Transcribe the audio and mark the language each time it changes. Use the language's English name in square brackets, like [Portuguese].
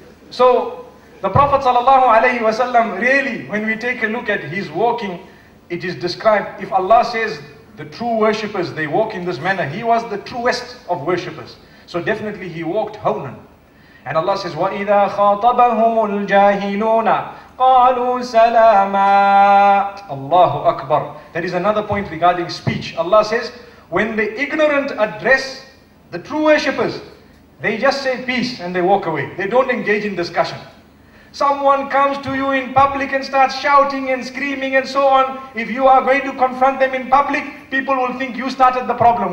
[English] So, the Prophet sallallahu alayhi wa sallam, really, when we take a look at his walking, it is described, if Allah says the true worshippers, they walk in this manner, he was the truest of worshippers. So definitely he walked hawnan. And Allah says, [Arabic] وَإِذَا خَاطَبَهُمُ الْجَاهِلُونَ قَالُوا سَلَامًا. Allahu Akbar. [English] That is another point regarding speech. Allah says, when the ignorant address the true worshippers, they just say peace and they walk away. They don't engage in discussion. Someone comes to you in public and starts shouting and screaming and so on. If you are going to confront them in public, people will think you started the problem.